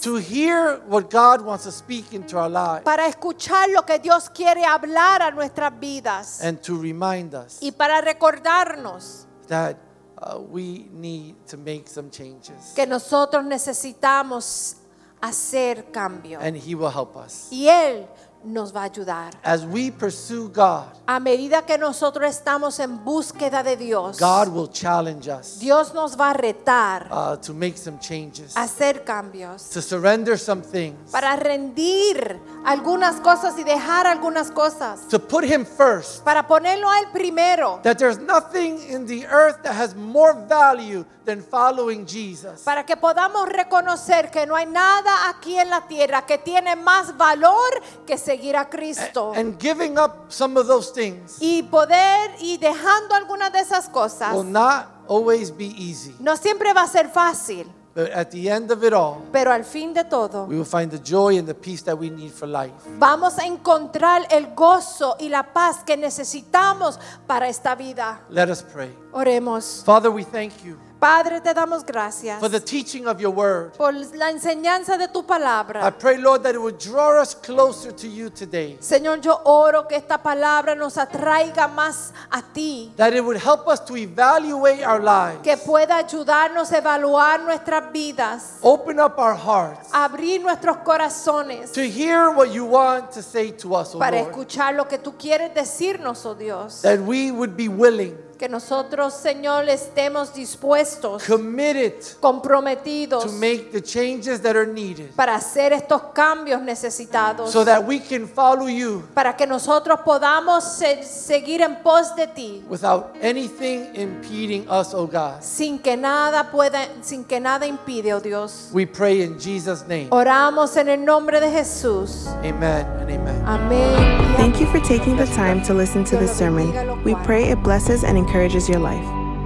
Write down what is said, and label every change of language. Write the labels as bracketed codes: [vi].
[en] To hear what God wants to speak into our lives. [es] Para escuchar lo que Dios quiere hablar a nuestras vidas. [en] And to remind us. [es] Y para recordarnos. [en] That we need to make some changes. [es] Que nosotros necesitamos hacer cambio. [en] And he will help us. [es] Y él nos va a ayudar. [en] As we pursue God, [es] a medida que nosotros estamos en búsqueda de Dios, [en] God will challenge us. [es] Dios nos va a retar. [en] To make some changes. [es] Hacer cambios. [en] To surrender some things. [es] Para rendir algunas cosas y dejar algunas cosas. [en] To put him first. [es] Para ponerlo a él primero. [en] That there's nothing in the earth that has more value than following Jesus. [es] Para que podamos reconocer que no hay nada aquí en la tierra que tiene más valor que seguir a Cristo. [en] And giving up some of those things. [es] Y poder y dejando algunas de esas cosas. [en] Will not always be easy. [es] No siempre va a ser fácil. [en] But at the end of it all, [es] pero al fin de todo, [en] we will find the joy and the peace that we need for life. [es] Vamos a encontrar el gozo y la paz que necesitamos para esta vida. [en] Let us pray. [es] Oremos. [en] Father, we thank you. [es] Padre, te damos gracias. [en] For the teaching of your word. [es] Por la enseñanza de tu palabra. [en] I pray, Lord, that it would draw us closer to you today. [es] Señor, yo oro que esta palabra nos atraiga más a ti. [en] That it would help us to evaluate our lives. [es] Que pueda ayudarnos a evaluar nuestras vidas. [en] Open up our hearts. [es] Abrir nuestros corazones. [en] To hear what you want to say to us, oh Lord. [es] Para escuchar lo que tú quieres decirnos, oh Dios. [en] That we would be willing. [es] Que nosotros, Señor, estemos dispuestos, [en] committed, [es] comprometidos, [en] to make the changes that are needed, [es] para hacer estos cambios necesitados, [en] so that we can follow you, [es] para que nosotros podamos seguir en pos de ti, [en] without anything impeding us, oh God, [es] sin que nada pueda, sin que nada impide, oh Dios. [en] We pray in Jesus' name. [es] Oramos en el nombre de Jesús. [en] Amen and amen. [es] Amen. [en] Thank you for taking the time to listen to this sermon. We pray it blesses and encourages your life.